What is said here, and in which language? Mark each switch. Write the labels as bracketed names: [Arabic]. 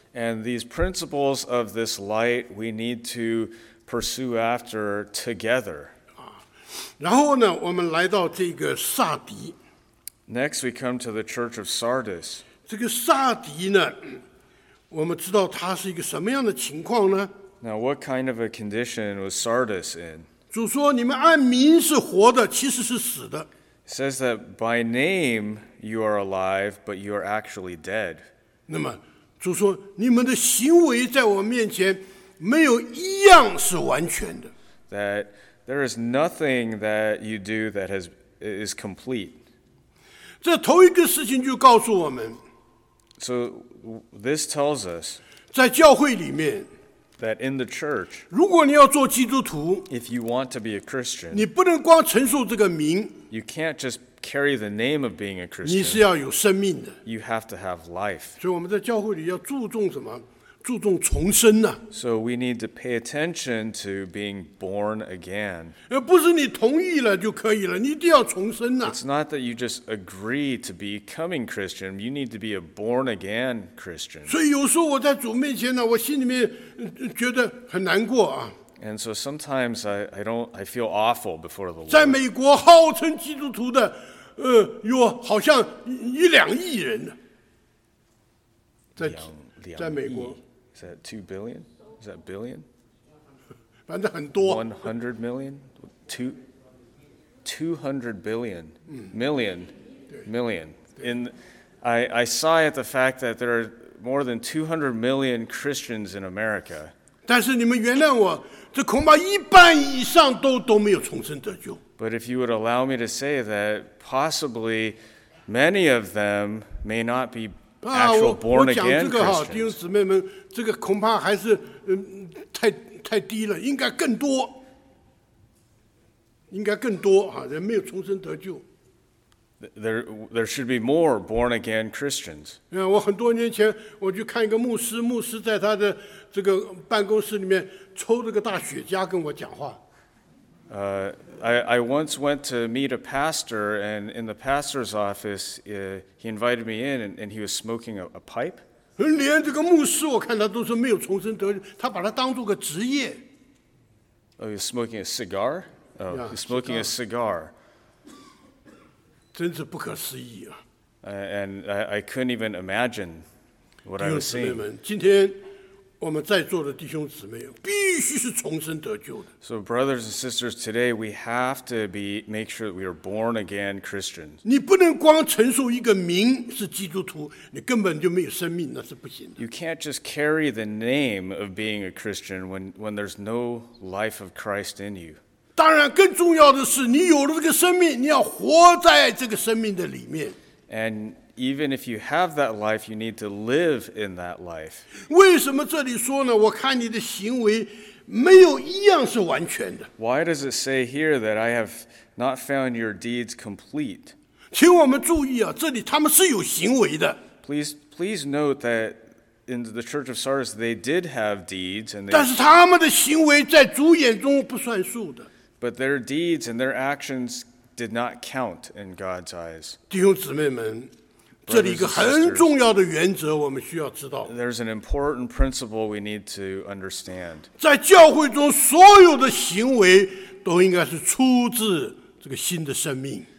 [English] And these principles of this light we need to pursue after together. [Chinese] 然后呢，我们来到这个萨迪。 [English] Next we come to the church of Sardis. [Chinese] 这个萨迪呢，我们知道它是一个什么样的情况呢？ [English] Now what kind of a condition was Sardis in? [Chinese] 主说你们按名是活的，其实是死的。 [English] Says that by name you are alive, but you are actually dead. [Chinese] 那么主说你们的行为在我面前没有一样是完全的。 [English] That there is nothing that you do that is complete. [Chinese] 这头一个事情就告诉我们。 [English] So this tells us [Chinese] 在教会里面, [English] that in the church, [Chinese] 如果你要做基督徒, [English] if you want to be a Christian, [Chinese] 你不能光承受这个名, [English] you can't just carry the name of being a Christian, [Chinese] 你是要有生命的, [English] you have to have life. [Chinese] 所以我们在教会里要注重什么? 注重重生啊。 [English] So we need to pay attention to being born again. [Chinese] 不是你同意了就可以了, 你一定要重生啊。 [English] It's not that you just agree to becoming Christian, you need to be a born again Christian. [Chinese] 所以有时候我在主面前呢, 我心里面觉得很难过啊。 [English] And so sometimes I feel awful before the Lord. [Chinese] 在美国号称基督徒的，有好像一两亿人。在美国。 [English] Is that 2 billion? Is that billion? [Chinese] 反正很多。 [English] 100 million? 200 billion? Million? Million. In, I sigh at the fact that there are more than 200 million Christians in America. [Chinese] 但是你们原谅我，这恐怕一半以上都没有重生得救。 [English] But if you would allow me to say that, possibly many of them may not be actual born again Christians. [Chinese] 弟兄姊妹们，这个恐怕还是太低了，应该更多，应该更多啊，人没有重生得救。 [English] There should be more born again Christians. [Chinese] 我很多年前我去看一个牧师，牧师在他的这个办公室里面抽着个大雪茄跟我讲话。 [English] I once went to meet a pastor, and in the pastor's office, he invited me in, and he was smoking a pipe. [Chinese] 连这个牧师我看他都是没有重生得救，他把他当作个职业。 [English] Oh, he was smoking a cigar. Smoking a cigar. [Chinese] 真是不可思议啊。 [English] And I couldn't even imagine what I was seeing. [Chinese] 今天我们在座的弟兄姊妹必须是重生得救的。 [English] So brothers and sisters, today we have to make sure that we are born again Christians. [Chinese] 你不能光承受一个名是基督徒，你根本就没有生命，那是不行的。 [English] You can't just carry the name of being a Christian when there's no life of Christ in you. [Chinese] 当然更重要的是，你有了这个生命，你要活在这个生命的里面。 [English] And even if you have that life, you need to live in that life. [Chinese] 为什么这里说呢？我看你的行为没有一样是完全的。 [English] Why does it say here that I have not found your deeds complete? [Chinese] 请我们注意啊，这里他们是有行为的。 [English] Please note that in the Church of Sardis, they did have deeds. And they... [Chinese] 但是他们的行为在主眼中不算数的。 [English] But their deeds and their actions did not count in God's eyes. [Chinese] 弟兄姊妹们，这里一个很重要的原则我们需要知道。 [English] There's an important principle we need to understand. [Chinese] 在教会中所有的行为都应该是出自这个新的生命。